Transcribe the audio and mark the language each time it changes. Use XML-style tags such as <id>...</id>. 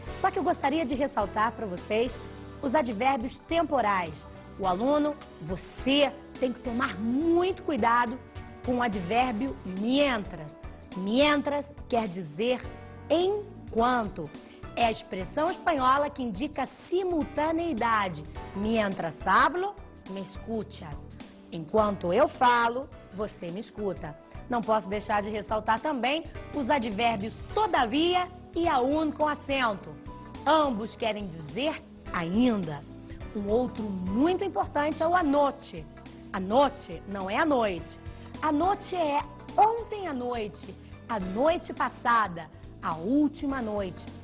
<pt>Só que eu gostaria de ressaltar para vocês os advérbios temporais. O aluno, você, tem que tomar muito cuidado com o advérbio mientras. Mientras quer dizer enquanto. É a expressão espanhola que indica simultaneidade.</pt> <es>Mientras hablo, me escuchas.</es> <pt>Enquanto eu falo, você me escuta. Não posso deixar de ressaltar também os advérbios todavia e aún com acento. Ambos querem dizer ainda. Um outro muito importante é o anoche. Anoche não é a noite. Anoche é ontem à noite, a noite passada, a última noite.</pt>